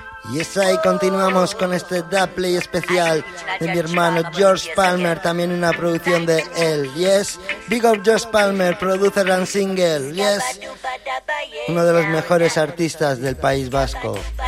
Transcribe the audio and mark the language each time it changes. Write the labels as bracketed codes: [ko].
[es] Y es ahí, continuamos con este dub play especial de mi hermano George Palmer, también una producción de él, [en] yes. Big up George Palmer, producer and single, yes. [es] Uno de los mejores artistas del País Vasco.